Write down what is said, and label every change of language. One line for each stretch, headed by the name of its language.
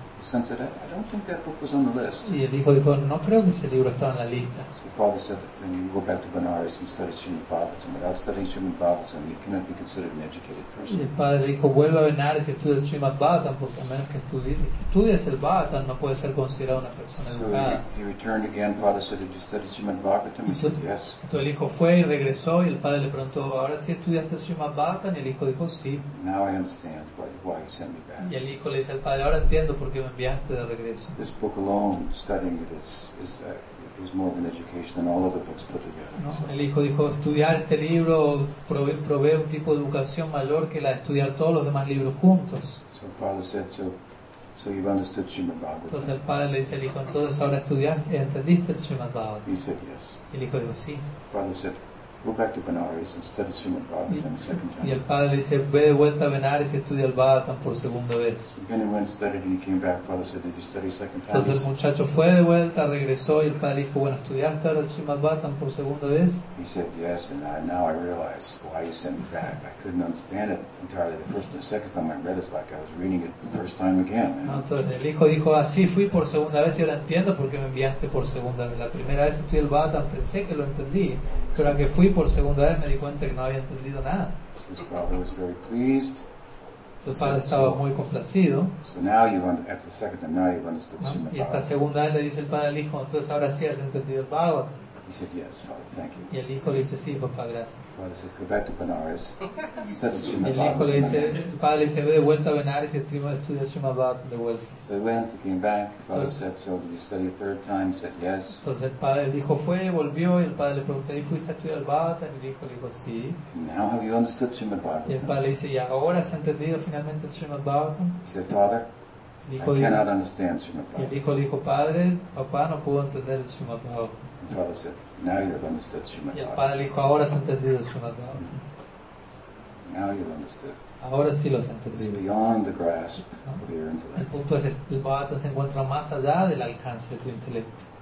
English: The son said, I don't think that book was on the list.
Spanish: Y el hijo dijo, no creo que ese libro estaba en la lista.
English: So father said, then you go back to Benares and study Srimad Bhagavatam. Without studying Srimad Bhagavatam, you cannot be considered an educated person.
Spanish: Y el padre dijo, vuelve a Benares y estudia Srimad Bhagavatam, porque a menos que estudies el Bhagavatam, no puedes ser considerado una persona educada.
English: So he returned again. Father said, did you study Srimad Bhagavatam? He said, yes.
Spanish: Entonces el hijo fue y regresó, y el padre le preguntó, ¿ahora sí estudiaste Srimad Bhagavatam? Y el hijo dijo, sí.
English: Now I understand why he sent me back.
Spanish: Y el hijo le dice al padre, ahora entiendo por qué enviaste de regreso.
English: This book alone, studying it, is more of an education than all other books put together.
Spanish: No, el hijo dijo, estudiar este libro provee un tipo de educación mayor que la de estudiar todos los demás libros juntos.
English: So father said, so you've understood Srimad Bhagavatam.
Spanish: Entonces el padre le dice al hijo, entonces ahora estudiaste, entendiste el Srimad Bhagavatam.
English: He said, yes.
Spanish: El hijo dijo, sí.
English: Father said, go back to Benares and study Srimad Bhagavatam a second time.
Spanish: Y el padre le dice, ve de vuelta a Benares y estudia el Bhagavatam por segunda vez. Entonces el muchacho fue de vuelta, regresó y el padre dijo, bueno, ¿estudiaste ahora el Srimad Bhagavatam por segunda vez?
English: He said, yes, and now I realize why you sent me back. I couldn't understand it entirely the first and the second time I read it. It's like I was reading it the first time again.
Spanish: Entonces el hijo dijo, así fui por segunda vez y ahora entiendo por qué me enviaste por segunda vez. La primera vez estudié el Bhagavatam, pensé que lo entendí, pero que fui por segunda vez me di cuenta que no había entendido nada.
English: His father was very pleased.
Spanish: Entonces padre estaba muy complacido.
English: So now you've after the second time now you've understood.
Spanish: Y esta segunda vez le dice el padre al hijo, entonces ahora sí has entendido el Bhagavatam.
English: He said, yes, Father, thank you.
Spanish: Y el hijo le dice, sí, papá, gracias.
English: Father said, go back to Benares.
Spanish: Y el hijo le dice, el padre le dice, ve de vuelta a Benares y estudia Srimad Bhagavatam de vuelta.
English: So he went, he came back. Father said, so did you study a third time? He said, yes.
Spanish: Entonces el padre dijo, fue, volvió, y el padre le preguntó, ¿y fuiste a estudiar Bhagavatam? Y el hijo le dijo, sí.
English: Now have you understood Srimad Bhagavatam?
Spanish: Y el padre le dice, ¿y ahora has entendido finalmente Srimad Bhagavatam?
English: He said, Father, I cannot understand Srimad Bhagavatam.
Spanish: El hijo dijo, padre, papá no pudo entender el Srimad Bhagavatam.
English: The father said, now you have understood Srimad Bhagavatam.
Spanish: Y el padre dijo, ahora has entendido el Srimad Bhagavatam.
English: Now you have understood.
Spanish: Ahora sí lo has entendido.
English: It's beyond the grasp of your intellect.
Spanish: El punto es, el Bhagavatam se encuentra más allá del alcance de tu intelecto.